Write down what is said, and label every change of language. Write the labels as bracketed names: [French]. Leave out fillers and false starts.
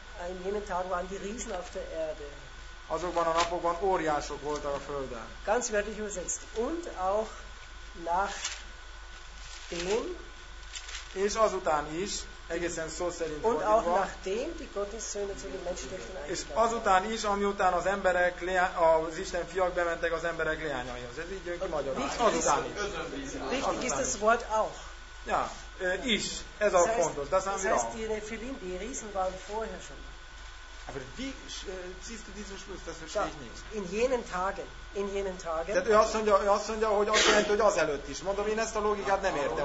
[German] An jenen Tagen waren die Riesen auf der Erde. [Hungarian] Azokban a napokban óriások voltak a Földön. [German] Ganz wörtlich übersetzt. Und auch nach dem. [Hungarian] És azután is, egészen szó szerint fordítva. [German] Und auch nach dem, die Gottes Söhne zu den Menschentöchtern eingegangen. [Hungarian] És azután is, amiután az emberek, az Isten fiak bementek az emberek leányaihoz. Ez így jön ki magyarul. Azután is. [German] Richtig ist das Wort auch. [Hungarian] Ja, is. Ez a fontos. Das [German] heißt, die Nephilim, die Riesen waren vorher schon. Aber wie ziehst du diesen Schluss? Das verstehe ich nicht. In jenen Tagen. [Hungarian] Tehát ő azt mondja, hogy azt jelenti, hogy azelőtt is. Mondom, én ezt a logikát nem értem.